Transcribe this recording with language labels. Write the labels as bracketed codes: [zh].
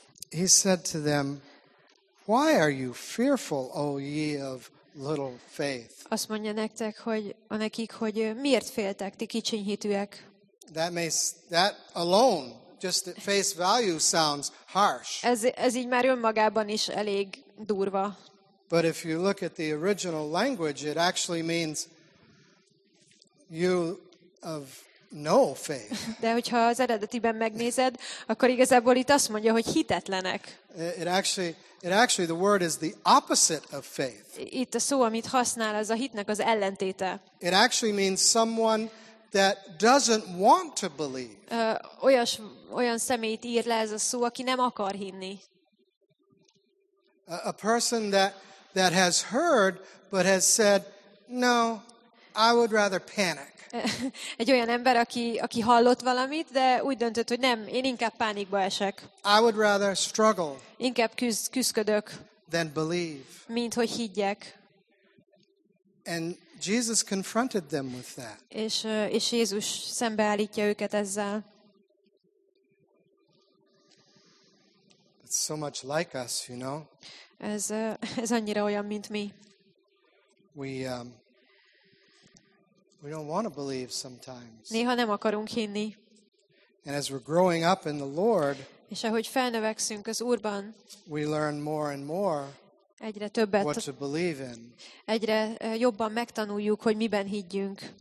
[en] He said to them, "Why are you fearful, O ye of little faith?" [hu] Azt mondja nektek, hogy a nekik, hogy miért féltek, ti kicsiny hitűek? [en] That alone. Just at face value sounds harsh. [hu] Ez így már önmagában is elég durva. [en] But if you look at the original language, it actually means you of no faith. [hu] De hogyha az eredetiben megnézed, akkor igazából itt azt mondja, hogy hitetlenek. [en] It actually the word is the opposite of faith. [hu] Itt a szó, amit használ, az a hitnek az ellentéte. [en] It actually means someone that doesn't want to believe. [hu] Olyan személyt ír le ez a szó, aki nem akar hinni. [en] A person that has heard but has said, "No, I would rather panic." [hu] Egy olyan ember, aki hallott valamit, de úgy döntött, hogy nem, én inkább pánikba esek. [en] I would rather struggle. [hu] Inkább küzdök. [en] Than believe. [hu] Mint hogy higgyek. [en] And Jesus confronted them with that. [hu] És Jézus szembeállítja őket ezzel. [en] It's so much like us, you know. [hu] Ez annyira olyan, mint mi. [en] We don't want to believe sometimes. [hu] Néha nem akarunk hinni. [en] And as we're growing up in the Lord, [hu] és ahogy felnövekszünk az Úrban, [en] we learn more and more. [hu] Egyre többet. [en] What to believe in. [hu] Egyre jobban megtanuljuk, hogy miben higgyünk.